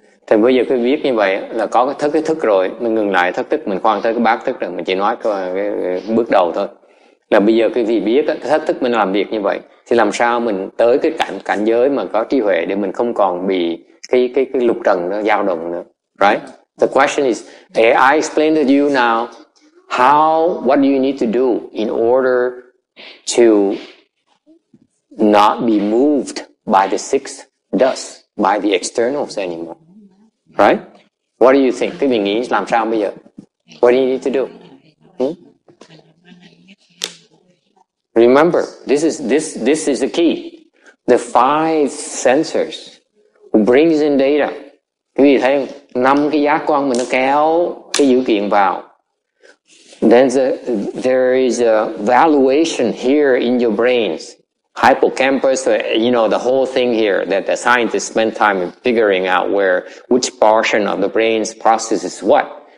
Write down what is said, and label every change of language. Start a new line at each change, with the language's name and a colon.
Vietnamese: Thì bây giờ cứ biết như vậy là có cái thức rồi, mình ngừng lại thất thức, mình khoan tới cái bát thức rồi, mình chỉ nói cái bước đầu thôi. Là bây giờ cái gì biết cái thất thức mình làm việc như vậy, thì làm sao mình tới cái cảnh giới mà có trí huệ để mình không còn bị cái lục trần nó dao động nữa.
English: Right? The question is, I explained to you now, what do you need to do in order to not be moved by the sixth dust, by the externals anymore? Right? What do you think?
Vietnamese: Cái mình nghĩ làm sao bây giờ?
English: What do you need to do? Remember, this is the key. The five sensors brings in data.
Vietnamese: Cái gì thấy năm cái giác quan mình nó kéo cái dữ kiện vào.
English: Then there is a valuation here in your brains, hippocampus, you know, the whole thing here that the scientists spend time in figuring out which portion of the brain's processes what.